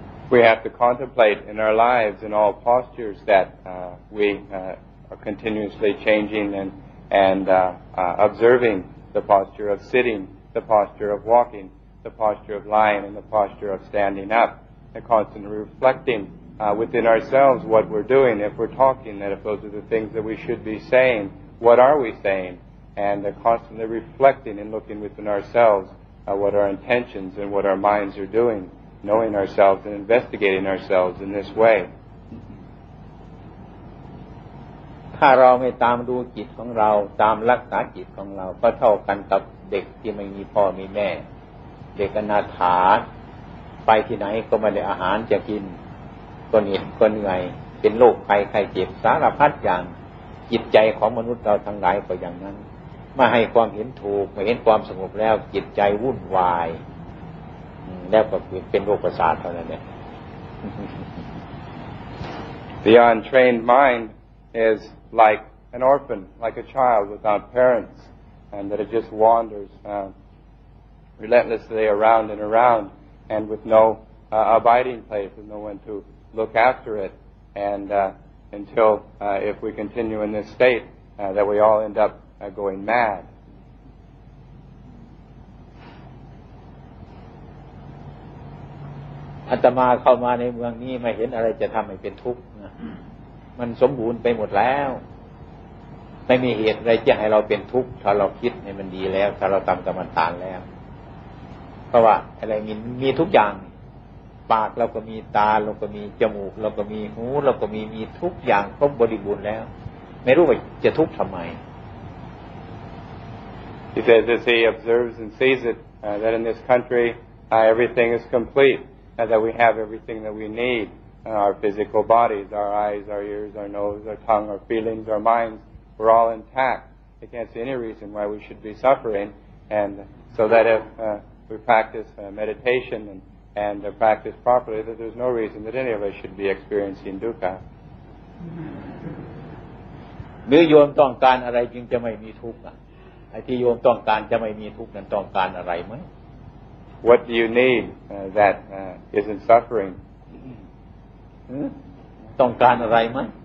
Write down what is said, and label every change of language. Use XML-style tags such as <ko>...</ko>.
<en>We have to contemplate in our lives in all postures that are continuously changing and observing the posture of sitting, the posture of walking, the posture of lying, and the posture of standing up. And constantly reflecting within ourselves what we're doing. If we're talking, that if those are the things that we should be saying, what are we saying? And constantly reflecting and looking within ourselves what our intentions and what our minds are doing, knowing ourselves and investigating ourselves in this way.</en> <th>ถ้าเราไม่ตามดูจิตของเราตามรักษาจิตของเราก็เท่ากันกับเด็กที่ไม่มีพ่อมีแม่เด็กอนาถาไปที่ไหนก็ไม่ได้อาหารจะกินก็เหน็ดก็เหนื่อยเป็นโรคไข้ไข้เจ็บสารพัดอย่างจิตใจของมนุษย์เราทั้งหลายก็อย่างนั้นมาให้ความเห็นถูกมาเห็นความสงบแล้วจิตใจวุ่นวายแล้วก็คือเป็นโรคประสาทเท่านั้นเนี่ย</th> <en>The untrained mind is like an orphan, like a child without parents, and that it just wanders relentlessly around and around, and with no abiding place and no one to look after it, andUntil if we continue in this state, that we all end up going mad.</en> <th>อาตมาเข้ามาในเมืองนี้มาเห็นอะไรจะทำให้เป็นทุกข์นะมันสมบูรณ์ไปหมดแล้วไม่มีเหตุอะไรจะให้เราเป็นทุกข์ถ้าเราคิดให้มันดีแล้วถ้าเราทำกรรมฐานแล้วเพราะว่าอะไรมีทุกอย่างปากเราก็มีตาเราก็มีจมูกเราก็มีหูเราก็มีทุกอย่างครบบริบูรณ์แล้วไม่รู้ว่าจะทุกข์ทำไม</th> <en>He says as he observes and sees it that in this country everything is complete that we have everything that we need our physical bodies our eyes our ears our nose our tongue our feelings our minds we're all intact I can't see any reason why we should be suffering and so that if we practice meditation and practice properly, that there's no reason that any of us should be experiencing dukkha.</en> <th>หรือโยมต้องการอะไรจึงจะไม่มีทุกข์อ่ะไอ้ที่โยมต้องการจะไม่มีทุกข์นั้นต้องการอะไรไหม</th> <en>What do you need that isn't suffering?</en> <th>ต้องการอะไรไหม</th>